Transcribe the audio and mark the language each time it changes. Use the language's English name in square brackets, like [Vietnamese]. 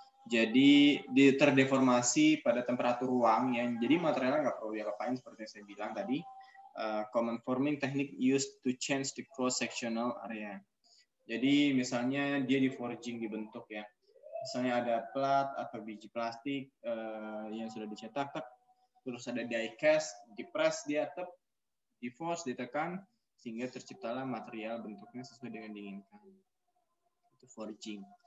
[Indonesian] Jadi terdeformasi pada temperatur ruang ya. Jadi materialnya nggak perlu diapain seperti yang saya bilang tadi. [English] Common forming technique used to change the cross-sectional area. [Indonesian] Jadi misalnya dia di forging dibentuk ya. Misalnya ada plat atau biji plastik yang sudah dicetak, terus ada die cast, dipress di atap, di force, ditekan, sehingga terciptalah material bentuknya sesuai dengan diinginkan. Itu forging.